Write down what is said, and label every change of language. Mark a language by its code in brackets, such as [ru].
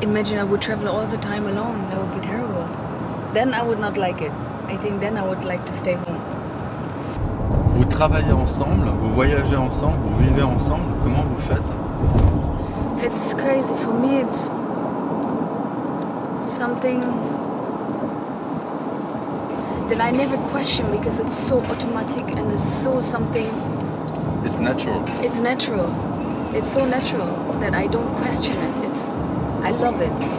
[en] Imagine I would travel all the time alone. That would be terrible. Then I would not like it. I think then I would like to stay home. [fr] Vous travaillez ensemble, vous voyagez ensemble, vous vivez ensemble. Comment vous faites? [en] It's crazy for me. It's something that I never question because it's so automatic and it's so something. It's natural. It's natural. It's so natural that I don't question it. I love it.